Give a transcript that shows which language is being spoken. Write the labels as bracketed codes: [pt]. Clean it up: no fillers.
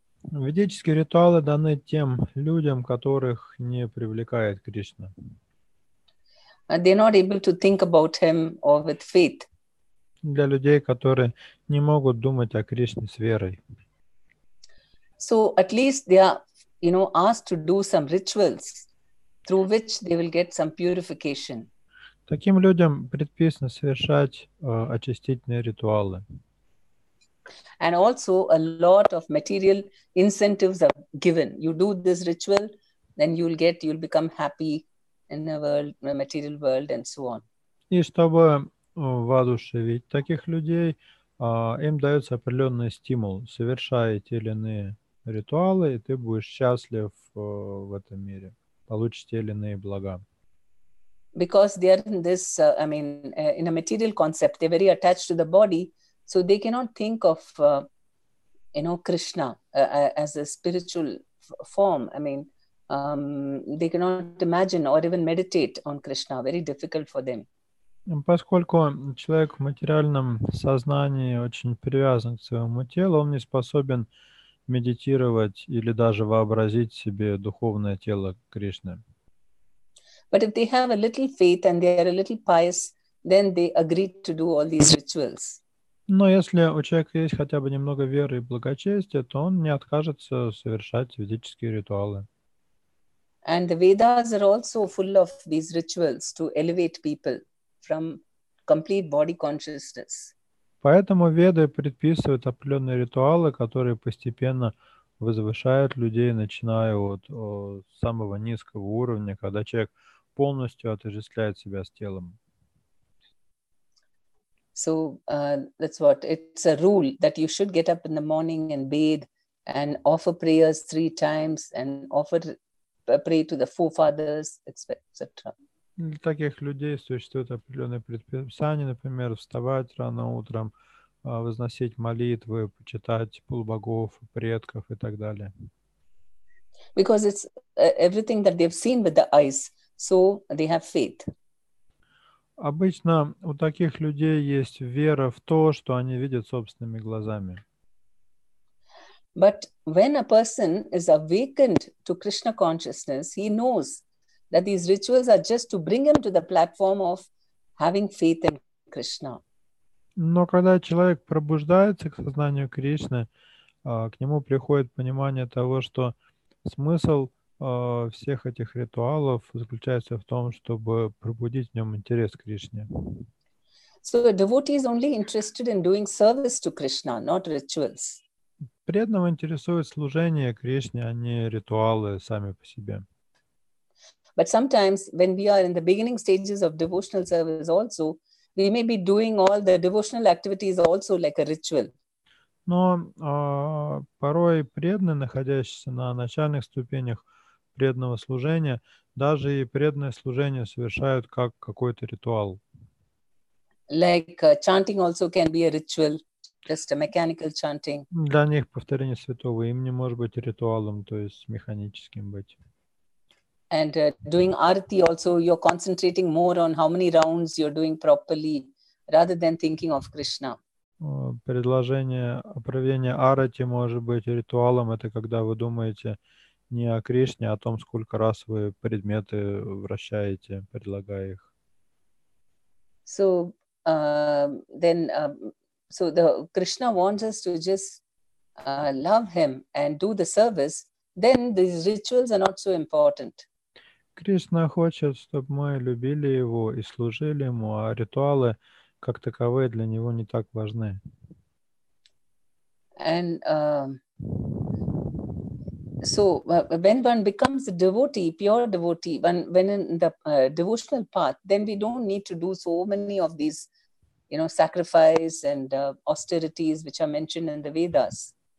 [ru] Ведические ритуалы даны тем людям, которых не привлекает Кришна. [en] They're not able to think about him or with faith. [ru] Для людей, которые не могут думать о Кришне с верой. [en] So at least they are, asked to do some rituals through which they will get some purification. [ru] Таким людям предписано совершать очистительные ритуалы. [en] And also a lot of material incentives are given. You do this ritual, then you'll become happy in the world, in the material world, and so on. [ru] И чтобы воодушевить таких людей, им дается определенный стимул. Совершай те или иные ритуалы, и ты будешь счастлив в этом мире. Получишь те или иные блага. [en] Because they are in this, in a material concept, they're very attached to the body. So they cannot think of, Krishna as a spiritual form. They cannot imagine or even meditate on Krishna. Very difficult for them. [ru] Поскольку человек в материальном сознании очень привязан к своему телу, он не способен медитировать или даже вообразить себе духовное тело Кришны. [en] But if they have a little faith and they are a little pious, then they agree to do all these rituals. [ru] Но если у человека есть хотя бы немного веры и благочестия, то он не откажется совершать ведические ритуалы. [en] And the Vedas are also full of these rituals to elevate people from complete body consciousness. [ru] Поэтому Веды предписывают определенные ритуалы, которые постепенно возвышает людей, начиная от самого низкого уровня, когда человек полностью отождествляет себя с телом. [en] So that's what it's a rule that you should get up in the morning and bathe and offer prayers three times and offer pray to the forefathers, etc. [ru] Для таких людей существуют определенные предписания, например, вставать рано утром, возносить молитвы, почитать полубогов, предков и так далее. [en] Because it's everything that they've seen with the eyes, so they have faith. [ru] Обычно у таких людей есть вера в то, что они видят собственными глазами. [en] But when a person is awakened to Krishna consciousness, he knows that these rituals are just to bring him to the platform of having faith in Krishna. [ru] Но когда человек пробуждается к сознанию Кришны, к нему приходит понимание того, что смысл всех этих ритуалов заключается в том, чтобы пробудить в нем интерес к Кришне. [en] So a devotee is only interested in doing service to Krishna, not rituals. [ru] Преданного интересует служение Кришне, а не ритуалы сами по себе. [en] But sometimes, when we are in the beginning stages of devotional service also, we may be doing all the devotional activities also like a ritual. [ru] Но порой преданные, находящиеся на начальных ступенях преданного служения, даже и преданное служение совершают как какой-то ритуал. [en] Like chanting also can be a ritual, just a mechanical chanting. [ru] Для них повторение святого имени может быть ритуалом, то есть механическим быть. [en] And doing arati also, you're concentrating more on how many rounds you're doing properly, rather than thinking of Krishna. [ru] Предложение проведения арати может быть ритуалом. Это когда вы думаете не о Кришне, а о том, сколько раз вы предметы вращаете, предлагая их. [en] So then, so the Krishna wants us to just love Him and do the service. Then these rituals are not so important. [ru] Кришна хочет, чтобы мы любили Его и служили Ему, а ритуалы, как таковые, для Него не так важны. [en] And so, when one becomes a devotee, pure devotee, when in the devotional path, then we don't need to do so many of these, you know, sacrifices and austerities, which are mentioned in the Vedas.